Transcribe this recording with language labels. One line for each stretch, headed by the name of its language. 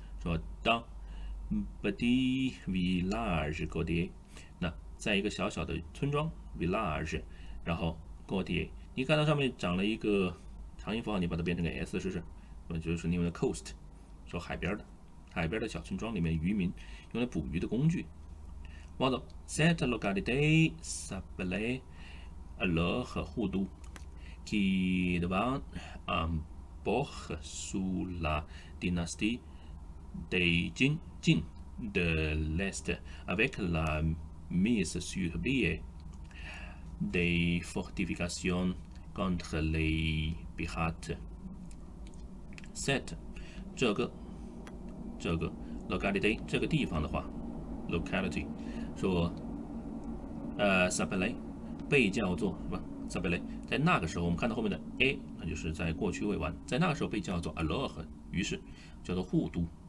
French: 说 dans petit village côtier。
Chinese: 在一个小小的村庄 village，然后 côtier，你看到上面长了一个长音符号，你把它变成个 s 试试，那就是你用的 coast，说海边的小村庄里面渔民用来捕鱼的工具。
French: Voilà, cette localité s'appelait alors Houdou, qui devint un port sous la dynastie des Jin de l'Est avec la mise sur pied des fortifications contre les pirates.
Chinese: Cette 这个 localité 这个地方的话，locality 说，s'appelait 被叫做什么？s'appelait 在那个时候，我们看到后面的 a，那就是在过去未完，在那个时候被叫做 alors，于是叫做护都。